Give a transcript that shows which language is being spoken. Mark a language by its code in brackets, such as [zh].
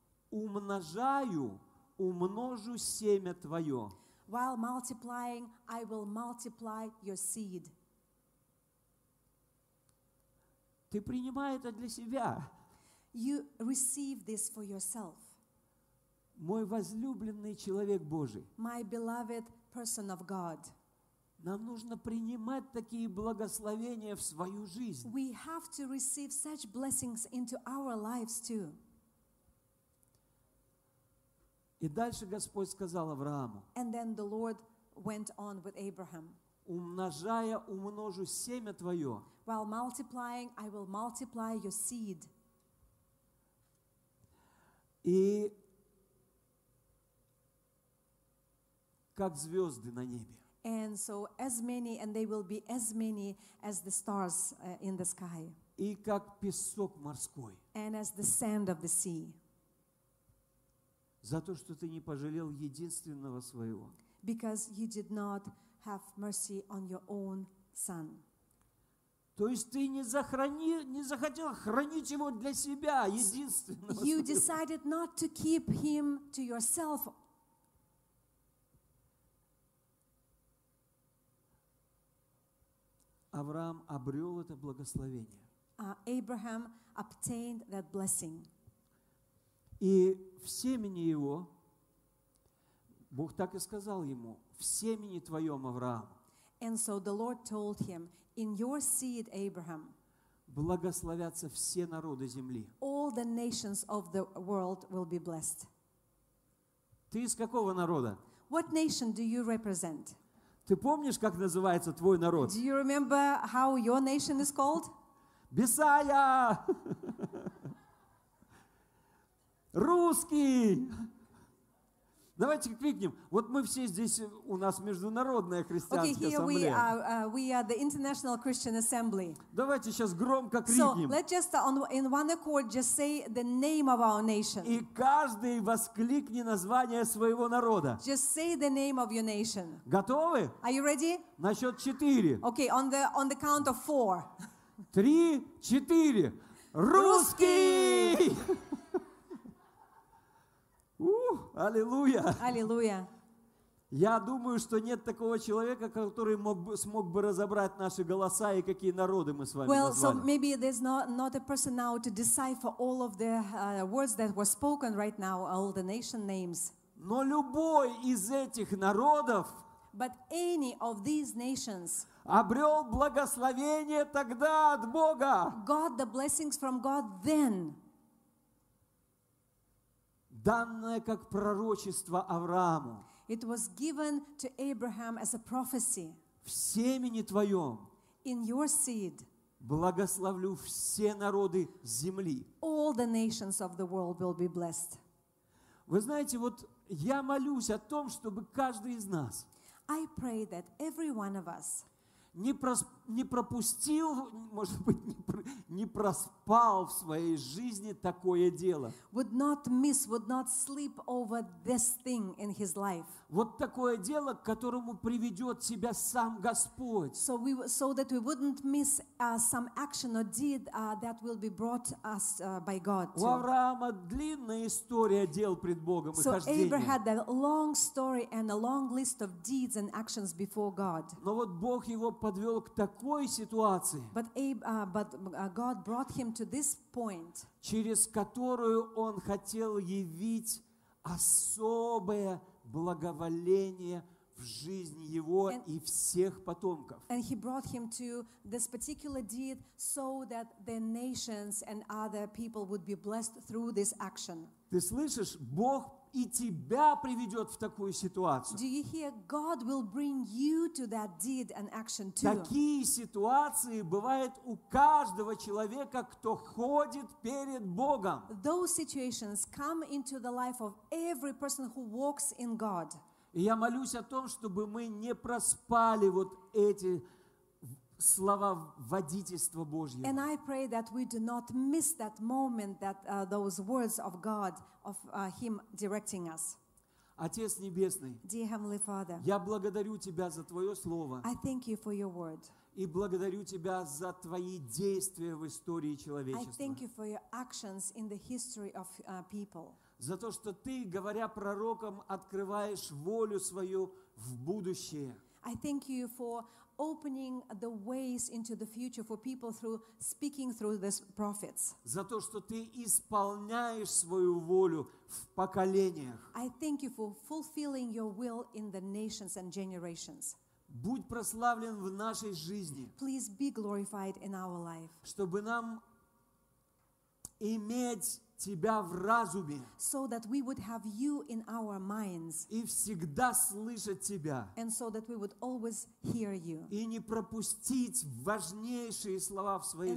[ru] Умножаю, умножу семя твое. [en] While multiplying, I will multiply your seed. [ru] Ты принимай это для себя. [en] You receive this for yourself. [ru] Мой возлюбленный человек Божий. [en] My beloved person of God. [ru] Нам нужно принимать такие благословения в свою жизнь. [en] We have to receive such blessings into our lives too. [ru] И дальше Господь сказал Аврааму. [en] And then the Lord went on with Abraham. [ru] Умножая, умножу семя твое. [en] While multiplying, I will multiply your seed. [ru] И как звезды на небе. [en] And so as many, and they will be as many as the stars in the sky. [ru] И как песок морской. [en] And as the sand of the sea. [ru] За то, что ты не пожалел единственного своего. [en] Because you did not have mercy on your own son. [ru] То есть ты не захотел хранить его для себя, единственного. [en] You decided not to keep him to yourself. [ru] Авраам обрел это благословение. [en] Abraham obtained that blessing. [ru] И в семени его, Бог так и сказал ему, в семени твоем, Авраам. [en] And so the Lord told him, in your seed, Abraham, [ru] благословятся все народы земли. [en] All the nations of the world will be blessed. [ru] Ты из какого народа? [en] What nation do you represent? [ru] Ты помнишь, как называется твой народ? [en] Do you remember how your nation is called? Бесая! [ru] Русский! Давайте крикнем. Вот мы все здесь, у нас международная христианская ассамблея. [en] Okay, here we are the International Christian Assembly. [ru] Давайте сейчас громко крикнем. [en] So, let's just in one accord just say the name of our nation. [ru] И каждый воскликни название своего народа. [en] Just say the name of your nation. [ru] Готовы? [en] Are you ready? [ru] На счет четыре. [en] Okay, on the count of four. [ru] Три, четыре. Русский! Аллилуйя! Аллилуйя! Я думаю, что нет такого человека, который смог бы разобрать наши голоса и какие народы мы с вами [en] well, [ru] назвали. [en] Well, so maybe there's not a person now to decipher all of the words that were spoken right now, all the nation names. [ru] Но любой из этих народов. [en] But any of these nations. [ru] Обрел благословение тогда от Бога. [en] Got the blessings from God then. [ru] Данное как пророчество Аврааму. [en] It was given to Abraham as a prophecy. [ru] В семени твоем. [en] In your seed. [ru] Благословлю все народы земли. [en] All all the nations of the world will be blessed. [ru] Вы знаете, вот я молюсь о том, чтобы каждый из нас [en] I pray that every one of us [ru] не пропустил, может быть, не проспал в своей жизни такое дело. [en] Would not miss, would not sleep over this thing in his life. [ru] Вот такое дело, к которому приведет себя сам Господь. [en] So that we wouldn't miss some action or deed that will be brought us by God. [ru] У Авраама длинная история дел пред Богом и хождения. [en] So Abraham had a long story and a long list of deeds and actions before God. [ru] Но вот Бог его подвел к такой ситуации. [en] But God brought him to this point. [ru] Через которую он хотел явить особое благоволение в жизни его и всех потомков. [en] And he brought him to this particular deed so that the nations and other people would be blessed through this action. [ru] Ты слышишь, Бог и тебя приведет в такую ситуацию. [en] Do you hear? God will bring you to that deed and action too. [ru] Такие ситуации бывают у каждого человека, кто ходит перед Богом. [en] Those situations come into the life of every person who walks in God. [ru] И я молюсь о том, чтобы мы не проспали вот эти слова водительства Божьего. [en] And I pray that we do not miss that moment that those words of God of him directing us. [ru] Отец небесный. [en] Dear Heavenly Father. [ru] Я благодарю тебя за твое слово. [en] I thank you for your word. [ru] И благодарю тебя за твои действия в истории человечества. [en] I thank you for your actions in the history of people. [ru] За то, что ты, говоря пророкам, открываешь волю свою в будущее. [en] I thank you for opening the ways into the future for people through speaking through these prophets. [ru] За то, что ты исполняешь свою волю в поколениях. [en] I thank you for fulfilling your will in the nations and generations. [ru] Будь прославлен в нашей жизни. [en] Please be glorified in our life. [ru] Чтобы нам иметь тебя в разуме. [en] So that we would have you in our minds. [ru] И всегда слышать тебя. [en] And so that we would always hear you. [ru] И не пропустить важнейшие слова в своей